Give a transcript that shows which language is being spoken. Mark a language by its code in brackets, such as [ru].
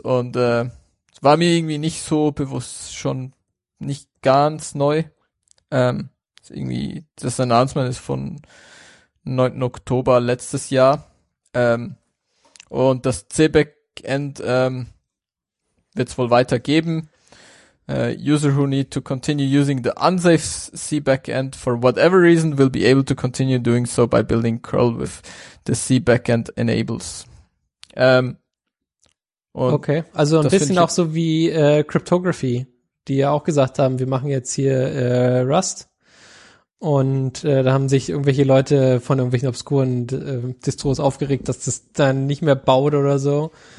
[de] Und war mir irgendwie nicht so bewusst, schon nicht ganz neu. Ist irgendwie, das Announcement ist von 9. Oktober letztes Jahr. Und das C-Backend wird es wohl weitergeben. [en] User who need to continue using the unsafe C backend for whatever reason will be able to continue doing so by building curl with the C backend enables. [de] Okay, also ein bisschen auch so wie Cryptography, die ja auch gesagt haben, wir machen jetzt hier Rust. Und da haben sich irgendwelche Leute von irgendwelchen obskuren Distros aufgeregt, dass das dann nicht mehr baut oder so.